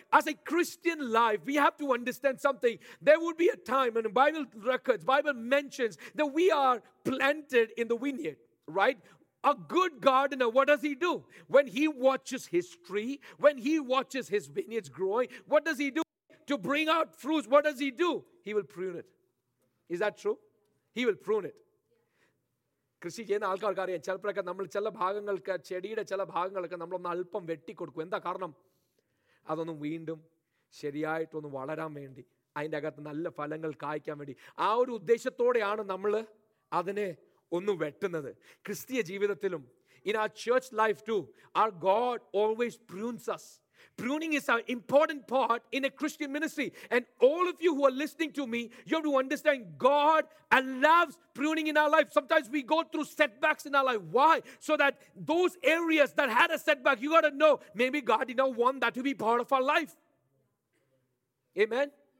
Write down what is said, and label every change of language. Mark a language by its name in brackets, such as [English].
[English] As a Christian life, we have to understand something. There would be a time, and Bible records, Bible mentions that we are planted in the vineyard, right? A good gardener, what does he do? When he watches his tree, when he watches his vineyards growing, what does he do? To bring out fruits, what does he do? He will prune it. Is that true? He will prune it. [Malayalam] കൃഷി ചെയ്യുന്ന ആൾക്കാർക്ക് അറിയാം, ചിലപ്പോഴൊക്കെ നമ്മൾ ചില ഭാഗങ്ങൾക്ക്, ചെടിയുടെ ചില ഭാഗങ്ങളൊക്കെ നമ്മളൊന്ന് അല്പം വെട്ടിക്കൊടുക്കും. എന്താ കാരണം? അതൊന്ന് വീണ്ടും ശരിയായിട്ടൊന്ന് വളരാൻ വേണ്ടി, അതിൻ്റെ അകത്ത് നല്ല ഫലങ്ങൾ കായ്ക്കാൻ വേണ്ടി. ആ ഒരു ഉദ്ദേശത്തോടെയാണ് നമ്മൾ അതിനെ ഒന്ന് വെട്ടുന്നത്. ക്രിസ്തീയ ജീവിതത്തിലും, [English] In a church life too, our God always prunes us. Pruning is an important part in a Christian ministry. And all of you who are listening to me, you have to understand God loves pruning in our life. Sometimes we go through setbacks in our life. Why? So that those areas that had a setback, you got to know, maybe God did not want that to be part of our life. Amen?